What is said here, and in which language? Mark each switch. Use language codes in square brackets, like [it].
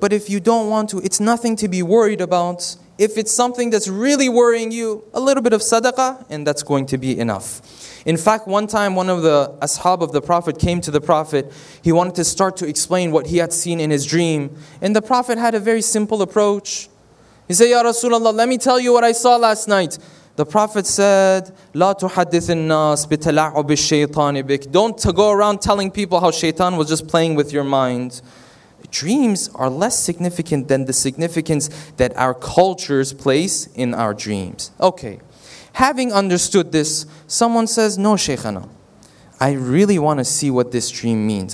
[en] But if you don't want to, it's nothing to be worried about. If it's something that's really worrying you, a little bit of sadaqah, and that's going to be enough. In fact, one time one of the ashab of the Prophet came to the Prophet. He wanted to start to explain what he had seen in his dream. And the Prophet had a very simple approach. He said, Ya Rasulullah, let me tell you what I saw last night. The Prophet said, [ar] لا تحدث الناس بتلعب الشيطان بك. [en] Don't to go around telling people how shaitan was just playing with your mind. Dreams are less significant than the significance that our cultures place in our dreams. Okay, having understood this, someone says, no, Shaykhana, I really want to see what this dream means.